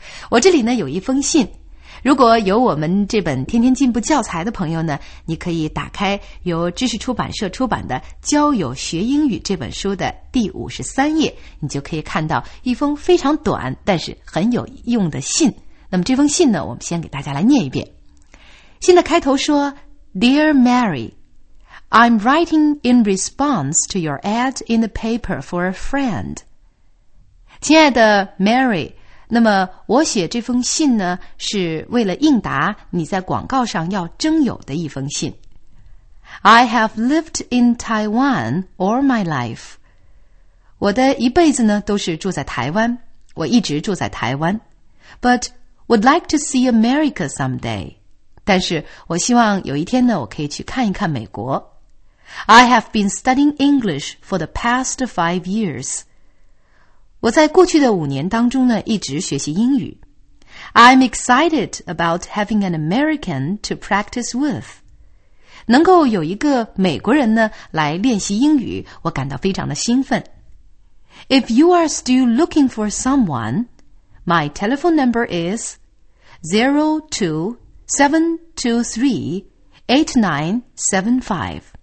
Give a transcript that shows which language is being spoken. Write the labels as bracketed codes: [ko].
[zh] 我这里呢有一封信，如果有我们这本天天进步教材的朋友呢，你可以打开由知识出版社出版的《交友学英语》这本书的第53页，你就可以看到一封非常短但是很有用的信。那么这封信呢，我们先给大家来念一遍。信的开头说 [en] Dear Mary, I'm writing in response to your ad in the paper for a friend. [zh] 亲爱的 Mary,那么我写这封信呢，是为了应答你在广告上要征友的一封信。 [en] I have lived in Taiwan all my life. [zh] 我的一辈子呢都是住在台湾，我一直住在台湾。 [en] But would like to see America someday. [zh] 但是我希望有一天呢，我可以去看一看美国。 [en] I have been studying English for the past 5 years. [zh] 我在过去的5年当中呢，一直学习英语。 [en] I'm excited about having an American to practice with. [zh] 能够有一个美国人呢，来练习英语，我感到非常的兴奋。 [en] If you are still looking for someone, my telephone number is 02723-8975.